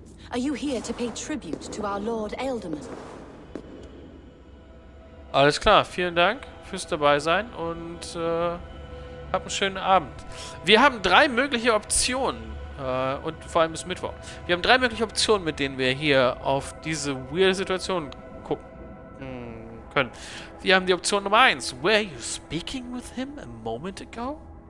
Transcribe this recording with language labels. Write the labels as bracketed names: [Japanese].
[English] Are you here to pay tribute to our Lord Elderman? [German] Alles klar, vielen Dank fürs dabei sein und hab einen schönen Abend. Wir haben drei mögliche Optionen. Und vor allem ist Mittwoch. Wir haben drei mögliche Optionen, mit denen wir hier auf diese weirde Situation gucken können. Wir haben die Option Nummer 1. [English] Were you speaking with him a moment ago?